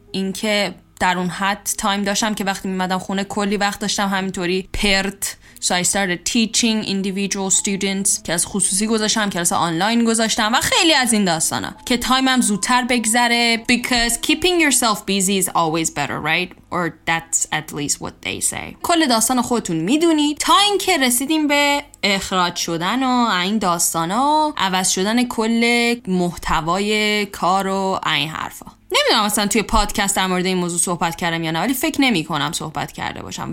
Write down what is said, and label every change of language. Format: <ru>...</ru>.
<fa>اینکه در اون حد تایم داشتم که وقتی میمدم خونه کلی وقت داشتم همینطوری پرت.</fa> <en>So I started teaching individual students.</en> <fa>کلاس خصوصی گذاشتم، کلاس آنلاین گذاشتم و خیلی از این داستانا که تایمم زودتر بگذره.</fa> <en>Because keeping yourself busy is always better, right? Or that's at least what they say.</en> <fa>کل داستان خودتون میدونی. تا اینکه رسیدیم به اخراج شدن و این داستانا، عوض شدن کل محتوای کار و این حرفا. نمیدونم مثلا توی پادکست در مورد این موضوع صحبت کردم یا نه، ولی فکر نمی کنم صحبت کرده باشم.</fa>